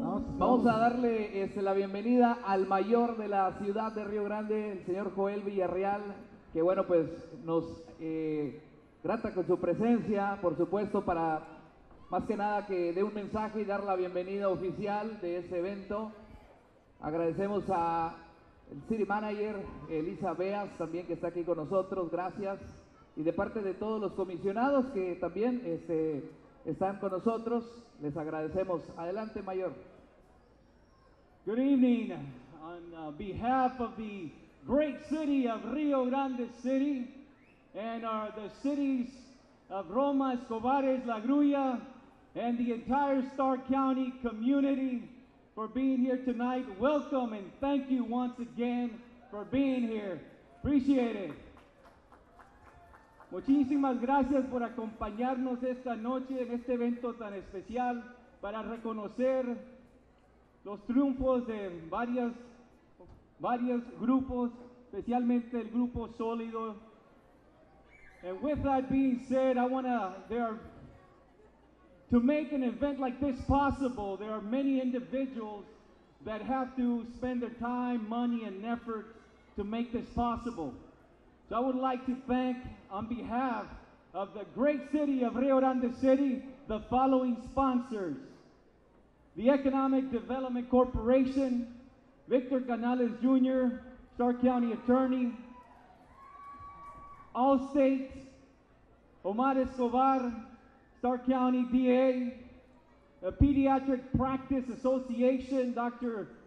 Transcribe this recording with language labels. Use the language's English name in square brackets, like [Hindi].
[Spanish] Vamos a darle la bienvenida al mayor de la ciudad de Río Grande, el señor Joel Villarreal, que bueno, pues nos grata con su presencia, por supuesto, para más que nada que dé un mensaje y dar la bienvenida oficial de este evento. Agradecemos a el City Manager, Elisa Beas, también que está aquí con nosotros, gracias. Y de parte de todos los comisionados que también están con nosotros, les agradecemos. Adelante, Mayor. [English] Good evening. On behalf of the great city of Rio Grande City and the cities of Roma, Escobares, La Grulla, and the entire Stark County community for being here tonight, welcome and thank you once again for being here. Appreciate it. [Spanish] Muchísimas gracias por acompañarnos esta noche en este evento tan especial para reconocer los triunfos de varios grupos, especialmente el grupo Sólido. [English] And with that being said, to make an event like this possible, there are many individuals that have to spend their time, money, and effort to make this possible. So I would like to thank, on behalf of the great city of Rio Grande City, the following sponsors: the Economic Development Corporation, Victor Canales Jr., Stark County Attorney, Allstate, Omar Escobar, Stark County DA, the Pediatric Practice Association, Dr.